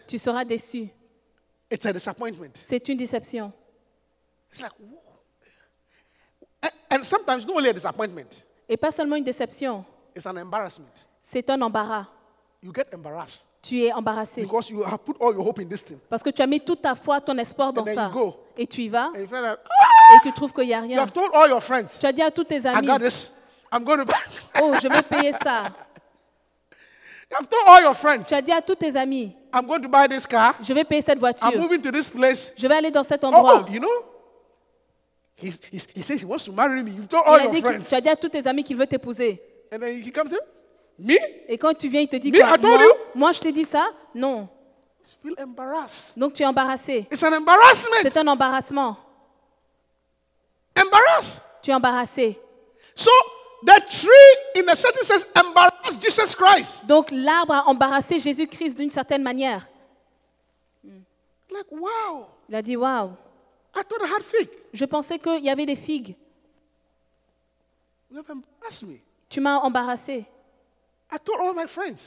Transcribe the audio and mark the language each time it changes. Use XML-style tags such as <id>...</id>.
<fr>Tu seras déçu.</fr> <en>It's a disappointment.</en> <fr>C'est une déception.</fr> <en>It's like, whoa. And sometimes not only a disappointment.</en> <fr>Et pas seulement une déception.</fr> <en>It's an embarrassment.</en> <fr>C'est un embarras.</fr> <en>You get embarrassed.</en> <fr>Tu es embarrassé.</fr> <en>Because you have put all your hope in this thing.</en> <fr>Parce que tu as mis toute ta foi, ton espoir dans</fr> <en>and</en> <fr>ça.</fr> <en>Then you go.</en> <fr>Et tu y vas.</fr> <en>And you feel like,</en> <fr>et tu trouves qu'il n'y a rien.</fr> <en>You have told all your friends.</en> <fr>Tu as dit à tous tes amis.</fr> <en>I got this. I'm going to.</en> <fr>Oh, je vais payer ça.</fr> <en>I've told all your friends.</en> <fr>Tu as dit à tous tes amis.</fr> <en>I'm going to buy this car.</en> <fr>Je vais payer cette voiture.</fr> <en>I'm moving to this place.</en> <fr>Je vais aller dans cet endroit.</fr> <en>Oh, you know? He says he wants to marry me. You've told all your friends.</en> <fr>Tu as dit à tous tes amis qu'il veut t'épouser.</fr> <en>And then he comes in. Me?</en> <fr>Et quand tu viens, il te dit</fr> <en>me?</en> <fr>Quoi?</fr> <en>I told You?</en> <fr>Moi, je t'ai dit ça? Non.</fr> <en>You feel embarrassed.</en> <fr>Donc tu es embarrassé.</fr> <en>It's an embarrassment.</en> <fr>C'est un embarrassement.</fr> <en>Embarrassed.</en> <fr>Tu es embarrassé.</fr> <en>So the tree, in a certain sense, embarrassed Jesus Christ.</en> <fr>Donc l'arbre a embarrassé Jésus-Christ d'une certaine manière.</fr> <en>Like wow.</en> <fr>Il a dit wow.</fr> <en>I thought I had fig.</en> <fr>Je pensais qu'il y avait des figues.</fr> <en>You have embarrassed me.</en> <fr>Tu m'as embarrassé.</fr> <en>I told all my friends.</en>